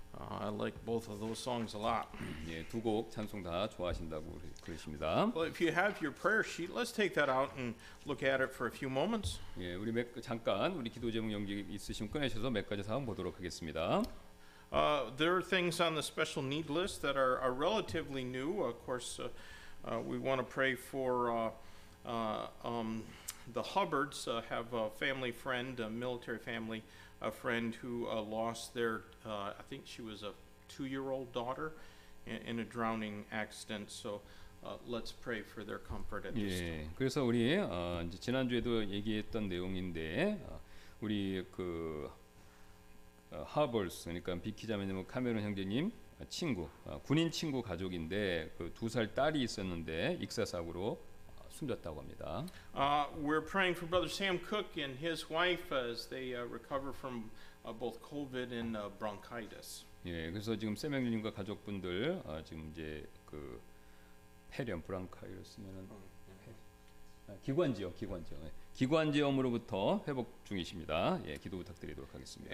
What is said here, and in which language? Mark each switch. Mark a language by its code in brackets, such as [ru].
[en] I like both of those songs a lot. [ko] 예, 두 곡 찬송 다 좋아하신다고 그러십니다. [en] Well, if you have your prayer sheet, let's take that out and look at it for a few moments. [ko] 예, 우리 잠깐 우리 기도 제목 영적 있으시면 꺼내셔서 몇 가지 사항 보도록 하겠습니다. [en] There are things on the special need list that are relatively new. Of course, we want to pray for the Hubbards. Have a family friend, a military family, a friend who lost their, I think she was a two-year-old daughter in a drowning accident. So let's pray for their comfort at this time. [ko] 예, 그래서 우리 이제 지난주에도 얘기했던 내용인데 우리 그 Hubbards, 그러니까 비키 자매님, 카메론 형제님 친구, 군인 친구 가족인데 그 두 살 딸이 있었는데 익사사고로 숨졌다고 합니다. [en] We're praying for Brother Sam Cook and his wife as they recover from both COVID and bronchitis. [ko] 예, 그래서 지금 샘 형제님과 가족분들 지금 이제 그 폐렴, 브랑카이러스면은 기관지역, 기관지역. 기관지염으로부터 회복 중이십니다. 예, 기도 부탁드리도록 하겠습니다.